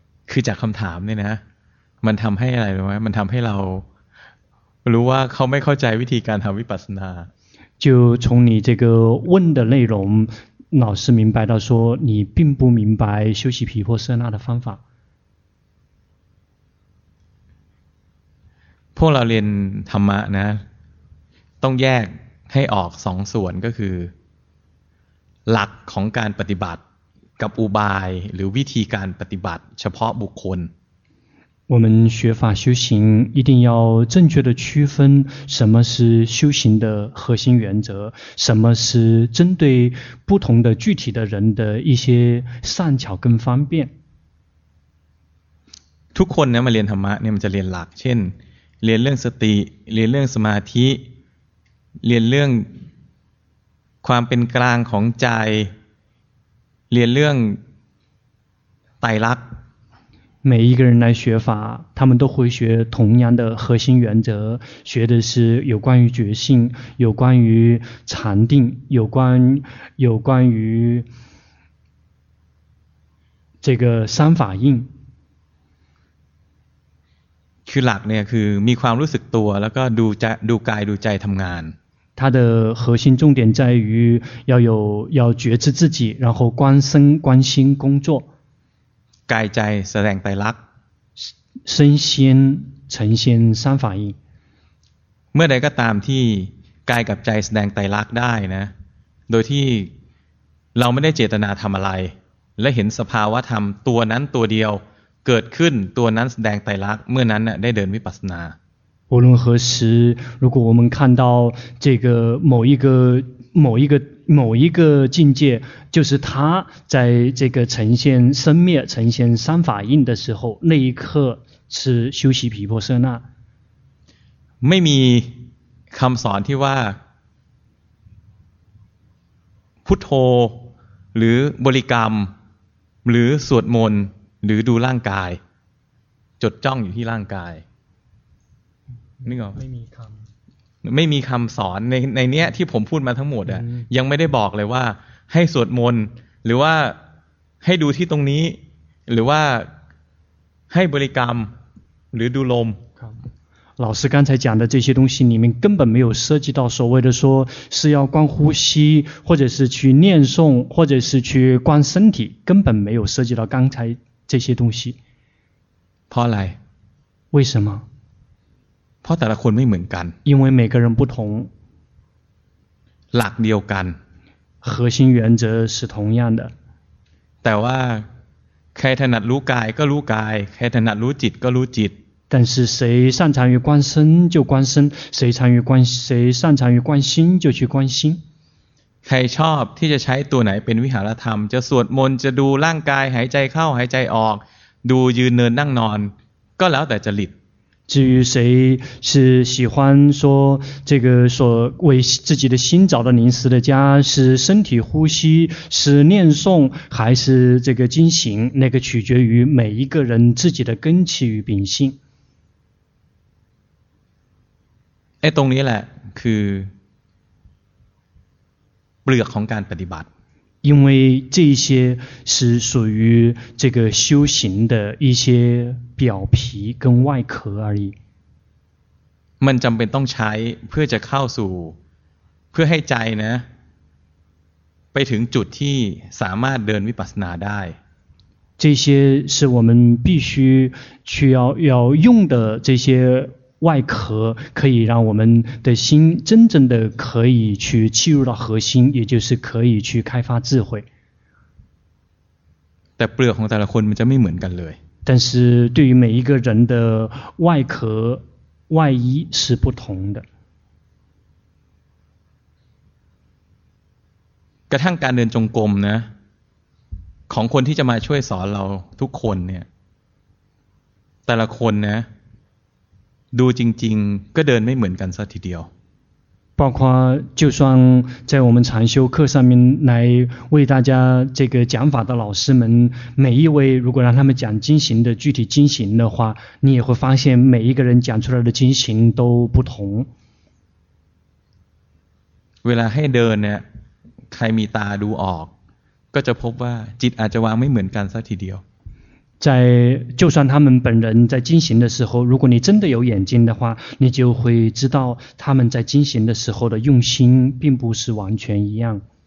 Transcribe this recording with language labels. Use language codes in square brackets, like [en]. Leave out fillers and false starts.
[th] คือจากคำถามเนี่ยนะมันทำให้อะไรรู้ไหมมันทำให้เรารู้ว่าเขาไม่เข้าใจวิธีการทำวิปัสสนา [zh] 就从你这个问的内容老师明白到说你并不明白修习毗婆舍那的方法 [th] พวกเราเรียนธรรมะนะต้องแยกให้ออกสองส่วนก็คือหลักของการปฏิบัติกับอุบายหรือวิธีการปฏิบัติเฉพาะบุคคล [zh] 我们学法修行一定要正确的区分什么是修行的核心原则什么是针对不同的具体的人的一些善巧跟方便 [th] ทุกคนเนี่ยมาเรียนธรรมะเนี่ยมันจะเรียนหลักเช่นเรียนเรื่องสติเรียนเรื่องสมาธิเรียนเรื่องความเป็นกลางของใจเรียนเรื่องไตรลักษณ์ [zh] 每一个人来学法他们都会学同样的核心原则学的是有关于觉性有关于禅定有关于这个三法印 [th] คือหลักเนี่ยคือมีความรู้สึกตัวแล้วก็ดูใจดูกายดูใจทำงาน [zh] 它的核心重点在于要觉知自己然后观身观心工作 [th] กายใจแสดงไตรลักษณ์ [zh] 身心呈现三法印 [th] เมื่อใดก็ตามที่ กายกับใจแสดงไตรลักษณ์ได้นะโดยที่เราไม่ได้เจตนาทำอะไรและเห็นสภาวะธรรมตัวนั้นตัวเดียวเกิดขึ้นตัวนั้นแสดงไตรลักษณ์เมื่อนั้นน่ะได้เดินวิปัสสนา [zh] 无论何时，如果我们看到这个某一个某一个某一个境界，就是它在这个呈现生灭、呈现三法印的时候，那一刻是修习毗婆舍那。 [th] ไม่มีคำสอนที่ว่าพุทโธหรือบริกรรมหรือสวดมนต์หรือดูร่างกายจดจ้องอยู่ที่ร่างกายนึกออก ไม่มีคำ ไม่มีคำสอนในเนี้ยที่ผมพูดมาทั้งหมดอ่ะยังไม่ได้บอกเลยว่าให้สวดมนต์หรือว่าให้ดูที่ตรงนี้หรือว่าให้บริกรรมหรือดูลม [zh] 老师刚才讲的这些东西里面根本没有涉及到所谓的说是要观呼吸或者是去念诵或者是去观身体根本没有涉及到刚才这些东西 [th] พอไร [zh] 为什么 [th] พอแต่ละคนไม่เหมือนกัน [zh] 因为每个人不同 [th] หลักเดียวกัน [zh] 核心原则是同样的 [th] แต่ว่าใครถนัดรู้กายก็รู้กายใครถนัดรู้จิตก็รู้จิต แต่ [zh] 是谁擅长于观身就观身谁擅长于观谁擅长于观心就去观心 [th] ใครชอบที่จะใช้ตัวไหนเป็นวิหารธรรมจะสวดมนต์จะดูร่างกายหายใจเข้าหายใจออกดูยืนเดินนั่งนอนก็แล้วแต่จริต [zh] 至于谁是喜欢说这个所为自己的心找的临时的家是身体呼吸是念诵还是这个精行那个取决于每一个人自己的根器与秉性 [th] ไอ้ตรงนี้แหละคือเปลือกของการปฏิบัติ [zh] 因为这些是属于这个修行的一些表皮跟外壳而已 [th] มันจำเป็นต้องใช้เพื่อจะเข้าสู่เพื่อให้ใจนะไปถึงจุดที่สามารถเดินวิปัสสนาได้ [zh] 这些是我们必须需要要用的这些外壳可以让我们的心真正的可以去契入到核心也就是可以去开发智慧 [th] แต่เปลือกของแต่ละคนมันจะไม่เหมือนกันเลย [zh] 但是对于每一个人的外壳外衣是不同的 [th] กระทั่งการเดินจงกรมนะของคนที่จะมาช่วยสอนเราทุกคนเนี่ยแต่ละคนนะดูจริงๆก็เดินไม่เหมือนกันซะทีเดียว [zh] 包括就算在我们禅修课上面来为大家这个讲法的老师们每一位如果让他们讲精行的具体精行的话你也会发现每一个人讲出来的精行都不同 [th] เวลาให้เดินเนี่ยใครมีตาดูออกก็จะพบว่าจิตอาจจะวางไม่เหมือนกันซะทีเดียว [zh] 在就算他们本人在进行的时候如果你真的有眼睛的话你就会知道他们在进行的时候的用心并不是完全一样